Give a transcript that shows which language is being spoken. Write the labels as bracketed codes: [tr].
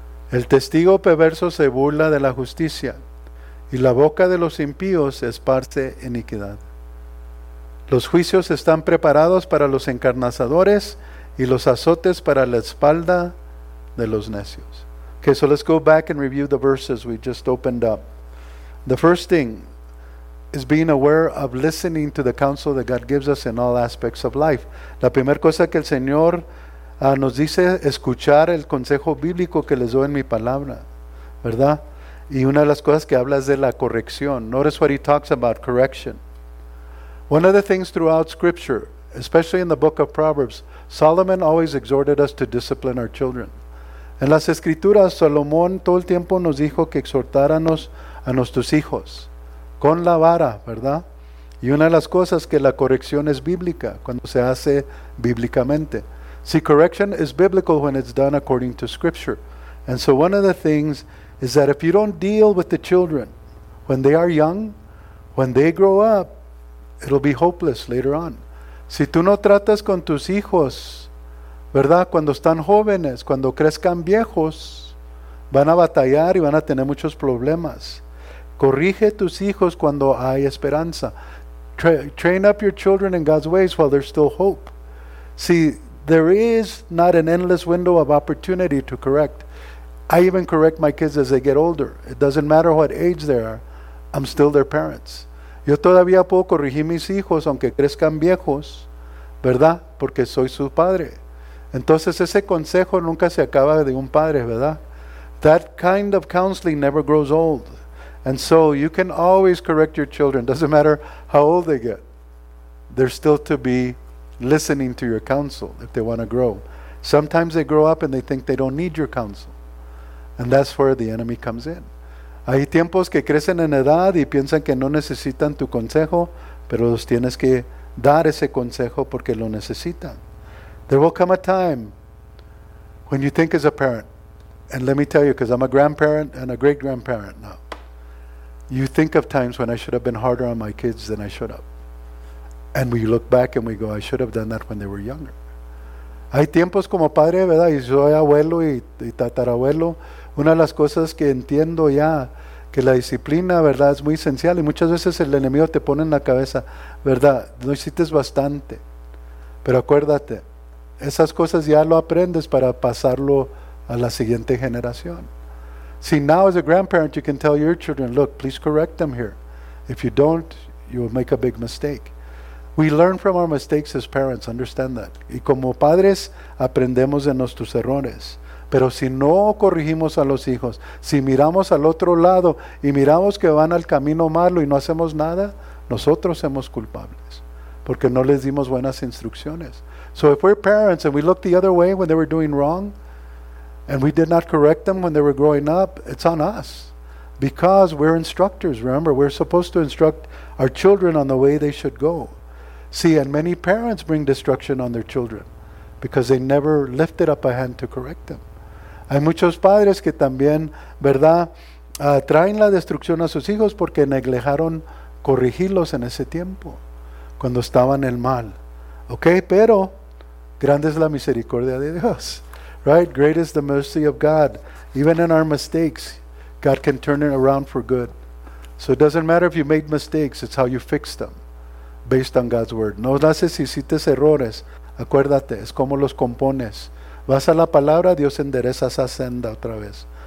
[es] El testigo perverso se burla de la justicia, y la boca de los impíos esparce iniquidad. Los juicios están preparados para los encarnizadores, y los azotes para la espalda de los necios. [en] Okay, so let's go back and review the verses we just opened up. The first thing is being aware of listening to the counsel that God gives us in all aspects of life. [es] La primera cosa que el Señor nos dice escuchar el consejo bíblico que les doy en mi palabra, ¿verdad? Y una de las cosas que habla es de la corrección. [en] Notice what he talks about, correction. One of the things throughout scripture, especially in the book of Proverbs, Solomon always exhorted us to discipline our children. [es] En las escrituras, Salomón todo el tiempo nos dijo que exhortáramos a nuestros hijos con la vara, ¿verdad? Y una de las cosas que la corrección es bíblica, cuando se hace bíblicamente. [en] See, correction is biblical when it's done according to scripture. And so one of the things is that if you don't deal with the children when they are young, when they grow up, it'll be hopeless later on. [es] Si tú no tratas con tus hijos, ¿verdad? Cuando están jóvenes, cuando crezcan viejos, van a batallar y van a tener muchos problemas. Corrige tus hijos cuando hay esperanza. [en] Train up your children in God's ways while there's still hope. See, there is not an endless window of opportunity to correct. I even correct my kids as they get older. It doesn't matter what age they are. I'm still their parents. [es] Yo todavía puedo corregir mis hijos aunque crezcan viejos, ¿verdad? Porque soy su padre. Entonces ese consejo nunca se acaba de un padre, ¿verdad? [en] That kind of counseling never grows old. And so you can always correct your children. Doesn't matter how old they get. They're still to be listening to your counsel if they want to grow. Sometimes they grow up and they think they don't need your counsel. And that's where the enemy comes in. [es] Hay tiempos que crecen en edad y piensan que no necesitan tu consejo, pero los tienes que dar ese consejo porque lo necesitan. [en] There will come a time when you think as a parent, and let me tell you, because I'm a grandparent and a great-grandparent now, you think of times when I should have been harder on my kids than I should have. And we look back and we go, I should have done that when they were younger. [es] Hay tiempos como padre, ¿verdad? Y soy abuelo y tatarabuelo. Una de las cosas que entiendo ya, que la disciplina, ¿verdad?, es muy esencial. Y muchas veces el enemigo te pone en la cabeza, ¿verdad? No hiciste bastante. Pero acuérdate, esas cosas ya lo aprendes para pasarlo a la siguiente generación. [en] See, now as a grandparent, you can tell your children, look, please correct them here. If you don't, you will make a big mistake. We learn from our mistakes as parents, understand that. [es] Y como padres, aprendemos de nuestros errores. Pero si no corregimos a los hijos, si miramos al otro lado y miramos que van al camino malo y no hacemos nada, nosotros somos culpables porque no les dimos buenas instrucciones. So if we're parents and we look the other way when they were doing wrong and we did not correct them when they were growing up, it's on us because we're instructors. Remember, we're supposed to instruct our children on the way they should go. See, and many parents bring destruction on their children because they never lifted up a hand to correct them. Hay muchos padres que también, ¿verdad?, traen la destrucción a sus hijos porque negligieron corregirlos en ese tiempo, cuando estaban en el mal. Ok, pero grande es la misericordia de Dios. [en] Right? Great is the mercy of God. Even in our mistakes, God can turn it around for good. So it doesn't matter if you made mistakes, it's how you fix them, based on God's word. [es] No sé si hiciste errores, acuérdate, es como los compones. Vas a la palabra, Dios endereza esa senda otra vez.